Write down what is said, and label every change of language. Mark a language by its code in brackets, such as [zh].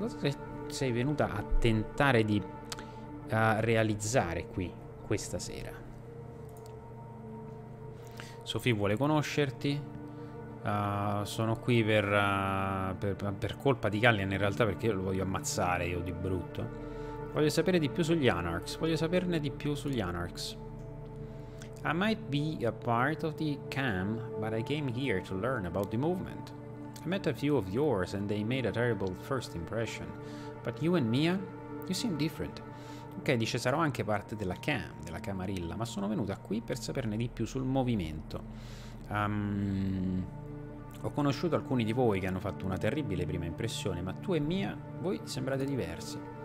[it] Cosa sei venuta a tentare di realizzare qui questa sera? Sophie vuole conoscerti. Sono qui per colpa di Gallian, in realtà, perché io lo voglio ammazzare, io di brutto. Voglio sapere di più sugli Anarchs. Voglio saperne di più sugli Anarchs. [en] I might be a part of the camp, but I came here to learn about the movement. I met a few of yours and they made a terrible first impression. But you and Mia, you seem different. [it] Ok, dice, sarò anche parte della cam, della camarilla, ma sono venuta qui per saperne di più sul movimento. Ho conosciuto alcuni di voi che hanno fatto una terribile prima impressione, ma tu e Mia, voi sembrate diversi.